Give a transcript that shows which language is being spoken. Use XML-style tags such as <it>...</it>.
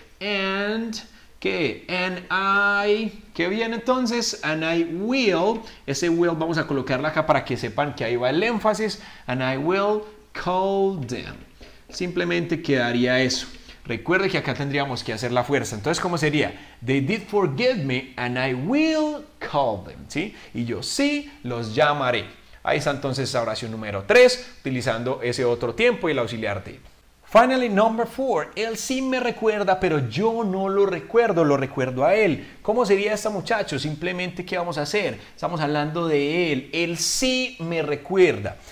<en>And,</en> <es>¿qué?</es> <en>And I,</en> <es>¿qué viene entonces?</es> <en>And I will,</en> <es>ese will vamos a colocarlo acá para que sepan que ahí va el énfasis.</es> <en>And I will call them.</en> <es>Simplemente quedaría eso. Recuerde que acá tendríamos que hacer la fuerza. Entonces, ¿cómo sería?</es> <en>They did forgive me and I will call them.</en> <es>¿Sí? Y yo sí los llamaré. Ahí está entonces la oración número 3, utilizando ese otro tiempo y el auxiliar did.</es> <en>Finally, number 4.</en> <es>Él sí me recuerda, pero yo no lo recuerdo. Lo recuerdo a él. ¿Cómo sería esta, muchacho? Simplemente, ¿qué vamos a hacer? Estamos hablando de él. Él sí me recuerda.</es>